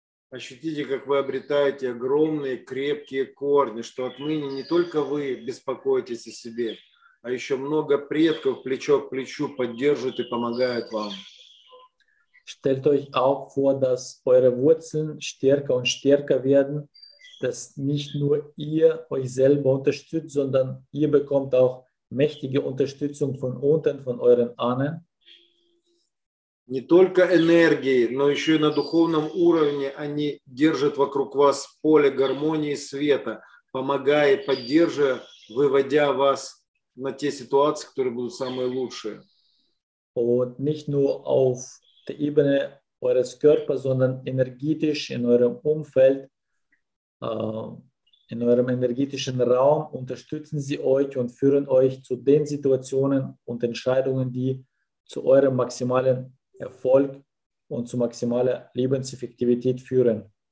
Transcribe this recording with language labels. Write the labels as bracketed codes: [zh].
[ru] Ощутите, как вы обретаете огромные крепкие корни, что отныне не только вы беспокоитесь о себе, а еще много предков плечо к плечу поддерживают и помогают вам. [de] Stellt euch auch vor, dass eure Wurzeln stärker und stärker werden, dass nicht nur ihr euch selber unterstützt, sondern ihr bekommt auch mächtige Unterstützung von unten, von euren Ahnen. [ru] Не только энергии, но еще и на духовном уровне они держат вокруг вас поле гармонии света, помогая, поддерживая, выводя вас на те ситуации, которые будут самые лучшие. [de] Und nicht nur auf der Ebene eures Körpers, sondern energetisch in eurem Umfeld, in eurem energetischen Raum unterstützen sie euch und führen euch zu den Situationen und Entscheidungen, die zu eurem maximalen Erfolg und zu maximaler Lebenseffektivität führen.